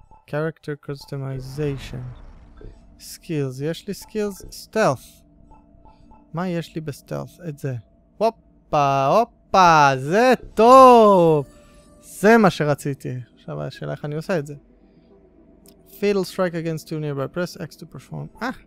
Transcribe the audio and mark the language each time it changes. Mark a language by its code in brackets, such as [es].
[en] Character customization. Skills, [he] יש לי [en] skills? [he] Stealth. מה יש לי בסטלף? את זה. הופה, הופה, זה טוב! זה מה שרציתי. עכשיו השאלה איך אני עושה את זה. [en] Fatal strike against two nearby, press X to perform.